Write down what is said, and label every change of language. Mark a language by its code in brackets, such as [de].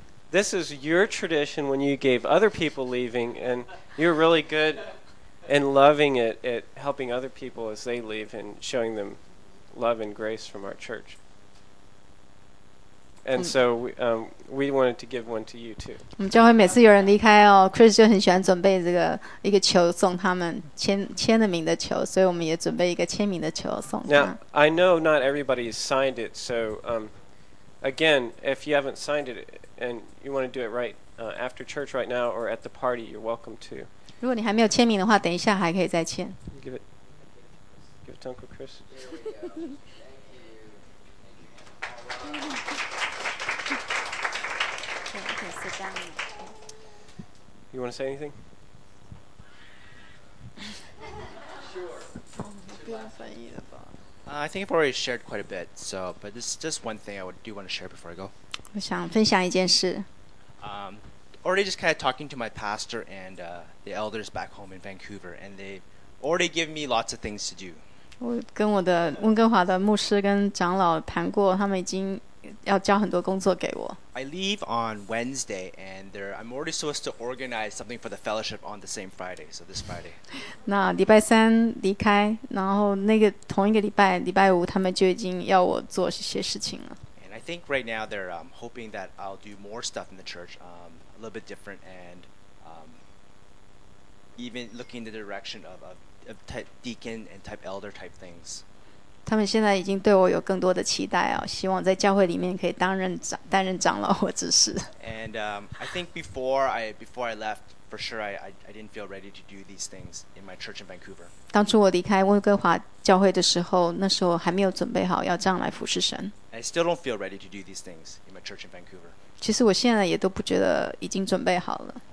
[en] This is your tradition when you gave other people leaving, and you're really good and loving it at helping other people as they leave and showing them love and grace from our church. And so we wanted to give one to you too. [zh] 我们教会每次有人离开哦 ，Chris 就很喜欢准备这个一个球送他们签了名的球，所以我们也准备一个签名的球送他。 [en] Now I know not everybody has signed it, so again, if you haven't signed it and you want to do it right after church right now or at the party, you're welcome to. [zh] 如果你还没有签名的话，等一下还可以再签。 [en] Give it to Uncle Chris. There we go. You want to say anything? Sure. I think I've already shared quite a bit, so, but this is just one thing I do want to share before I go. [zh] 我想分享一件事。 [en] Already just kind of talking to my pastor and the elders back home in Vancouver, and they already give me lots of things to do. [zh] 我跟我的温哥华的牧师跟长老谈过，他们已经要交很多工作给我。 [en] I leave on Wednesday, and I'm already supposed to organize something for the fellowship on the same Friday, so this Friday. [zh] 那礼拜三离开，然后那个同一个礼拜，礼拜五他们就已经要我做一些事情了。 [en] And I think right now they're hoping that I'll do more stuff in the church, a little bit different, and even looking in the direction of type deacon and type elder type things. [zh] 他们现在已经对我有更多的期待哦，希望在教会里面可以担任长老或执事。 [en] And I think before I left, for sure I didn't feel ready to do these things in my church in Vancouver. [zh] 当初我离开温哥华教会的时候，那时候还没有准备好要这样来服侍神。 [en] I still don't feel ready to do these things in my church in Vancouver. [zh] 其实我现在也都不觉得已经准备好了。